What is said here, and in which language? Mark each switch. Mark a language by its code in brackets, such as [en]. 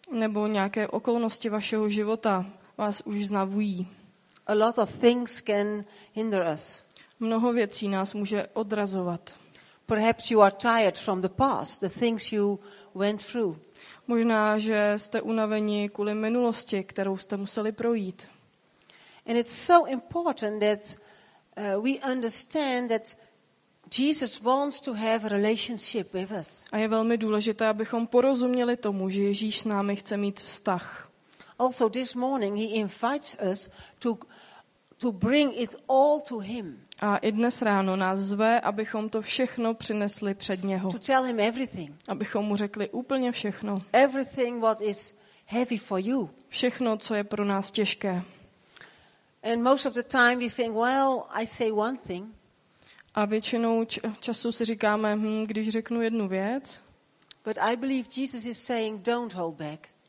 [cs] Nebo nějaké okolnosti vašeho života vás už znavují. [en] A lot of things can hinder us. [cs] Mnoho věcí nás může odrazovat. [en] Perhaps you are tired from the past, the things you went through. [cs] Možná, že jste unaveni kvůli minulosti, kterou jste museli projít. [en] And it's so important that we understand that Jesus wants to have a relationship with us. [cs] A je velmi důležité, abychom porozuměli tomu, že Ježíš s námi chce mít vztah. [en] Also this morning he invites us to bring it all to him. [cs] A i dnes ráno nás zve, abychom to všechno přinesli před něho. [en] To tell him everything. [cs] Abychom mu řekli úplně všechno. [en] Everything what is heavy for you. [cs] Všechno, co je pro nás těžké. [en] And most of the time we think, well, I say one thing. [cs] A většinou času si říkáme, když řeknu jednu věc. [en] But I believe Jesus is saying, don't hold back.